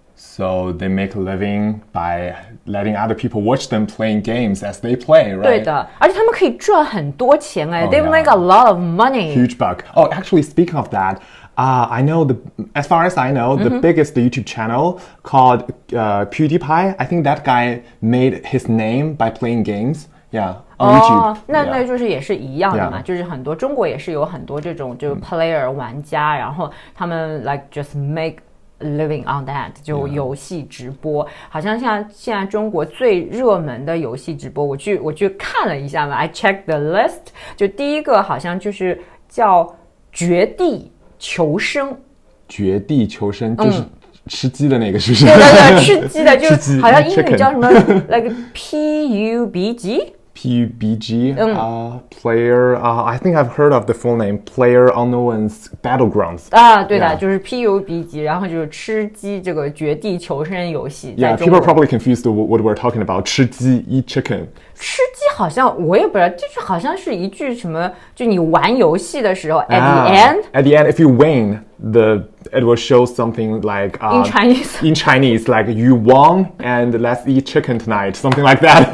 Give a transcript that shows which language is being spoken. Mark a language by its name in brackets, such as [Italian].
[English] So they make a living by letting other people watch them playing games as they play, right? [Chinese] 对的，而且他们可以赚很多钱哎。 [English] They make a lot of money. Huge buck. Oh, actually, speaking of that, I know as far as I know, the biggest YouTube channel called PewDiePie. I think that guy made his name by playing games. Yeah, on YouTube. [Chinese] 那就是也是一样的嘛，就是很多中国也是有很多这种就是 player 玩家，然后他们 [English] like just make. Living on that [Chinese] 就游戏直播、好像像现在中国最热门的游戏直播我去看了一下嘛 [English] I checked the list [Chinese] 就第一个好像就是叫绝地求生绝地求生就是吃鸡的那个是不是对对对吃鸡的就是好像英语叫什么like PUBG [English] PUBG player I think I've heard of the full name Player Unknown's Battlegrounds [Chinese] 对的、就是 PUBG 然后就是吃鸡这个绝地求生游戏 [English] Yeah, people are probably confused what we're talking about 吃鸡 eat chicken [Chinese] 吃鸡好像我也不知道就是好像是一句什么就你玩游戏的时候 [English] at the end if you win the it will show something like... in Chinese. In Chinese, like, you won and let's eat chicken tonight, something like that.